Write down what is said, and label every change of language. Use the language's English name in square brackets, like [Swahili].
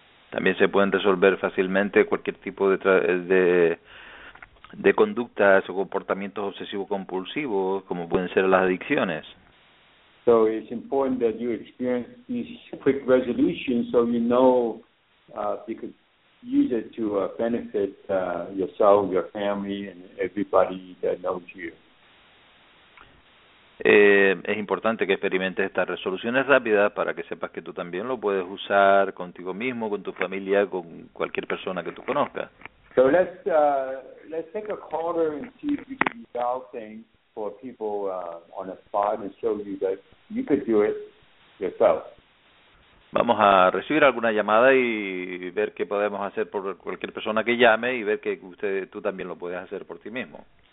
[Spanish] También se pueden resolver fácilmente cualquier tipo de conductas o comportamientos obsesivos compulsivos, como pueden ser las adicciones. [English] So it's important that you experience these quick resolutions so you know you could use it to benefit yourself, your family, and everybody that knows you. [Spanish] Es importante que experimentes estas resoluciones rápidas para que sepas que tú también lo puedes usar contigo mismo, con tu familia, con cualquier persona que tú conozcas. [English] So let's take a caller and see if you can resolve things for people on a spot and show you that you could do it yourself. [Spanish] Vamos a recibir alguna llamada y ver qué podemos hacer por cualquier persona que llame y ver que usted, tú también lo puedes hacer por ti mismo.